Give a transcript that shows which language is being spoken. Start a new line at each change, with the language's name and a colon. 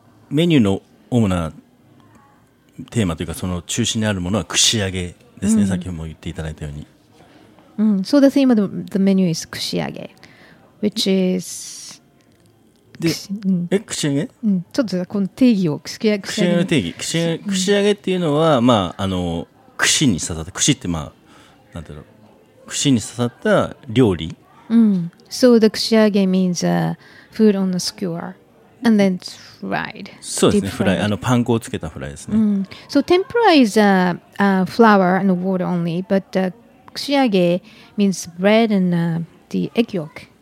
Japanese: メニューの主なテーマというか、その中心にあるものは串揚げですね。先ほども言っていただいたように。
English: So the theme of the menu is 串揚げ, which is...
Japanese: で、え、串揚げ、ちょっとこの定義を串揚げっていうのは、まあ、あの串に刺さった串って、まあ、なんだろう、串に刺さった料理、
English: So the 串揚げ means a food on a skewer and then fried.
Japanese: そうですね、フライ、あのパン粉をつけたフライですね。
English: So tempura is a flour and water only, but the 串揚げ means bread and the egg yolk.